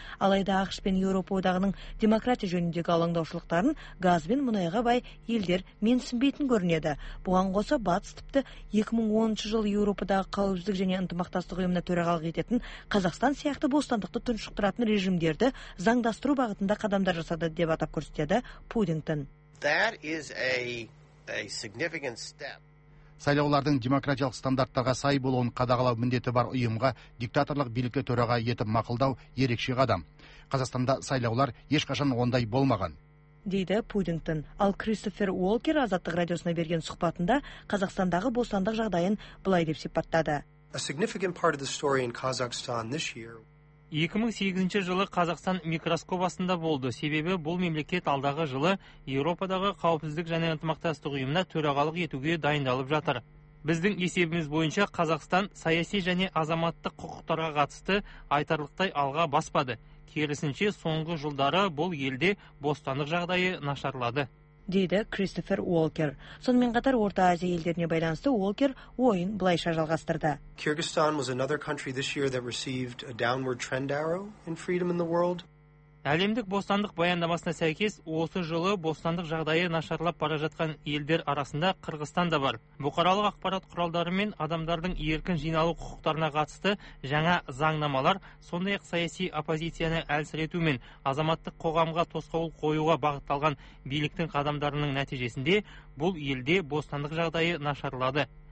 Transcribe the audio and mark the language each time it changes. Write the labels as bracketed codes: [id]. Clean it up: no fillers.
[kk] Алайда АқШ пен Еуропа одағының демократия жөніндегі алаңдаушылықтарын газ бен мұнайға бай елдер менсінбейтін көрінеді. Бұған қоса батыс тіпті 2010 жылы Еуропадағы қауіпсіздік және ынтымақтастық ұйымына төрағалық ететін Қазақстан сияқты бостандықты тұншықтыратын режимдерді заңдастыру бағытында қадамдар жасады деп атап көрсетеді Пудингтон. [en] That is a significant step. [kk] Сайлаулардың демократиялық стандарттарға сай болуын қадағалау міндеті бар ұйымға диктаторлық билікті төраға етіп мақұлдау ерекше қадам. Қазақстанда сайлаулар ешқашан ондай болмаған. Дейді Пудингтон. Ал Кристофер Уолкер Азаттық радиосына берген сұхбатында Қазақстандағы бостандық жағдайын былай деп сипаттады. [en] A significant part of the story in Kazakhstan this year. [kk] 2008 жылы Қазақстан микроскобасында болды. Себебі бұл мемлекет алдағы жылы Еуропадағы қауіпсіздік және ынтымақтастық ұйымына төрағалық етуге дайындалып жатыр. Біздің есебіміз бойынша Қазақстан саяси және азаматтық құқықтарға қатысты айтарлықтай алға баспады. Керісінше, соңғы жылдары бұл елде бостандық жағдайы нашарлады. Дейді Кристофер Уолкер. Сонымен қатар Орта Азия елдеріне байланысты Уолкер ойын былайша жалғастырды. [en] Kyrgyzstan was another country this year that received a downward trend arrow in freedom in the world. [kk] Әлемдік бостандық баяндамасына сәйкес, осы жылы бостандық жағдайы нашарлап бара жатқан елдер арасында Қырғызстан да бар. Бұқаралық ақпарат құралдары мен адамдардың еркін жиналу құқықтарына қатысты жаңа заңнамалар, сондай-ақ саяси оппозицияны әлсірету мен азаматтық қоғамға тосқауыл қоюға бағытталған биліктің қадамдарының нәтижесінде бұл елде бостандық жағдайы нашарлады.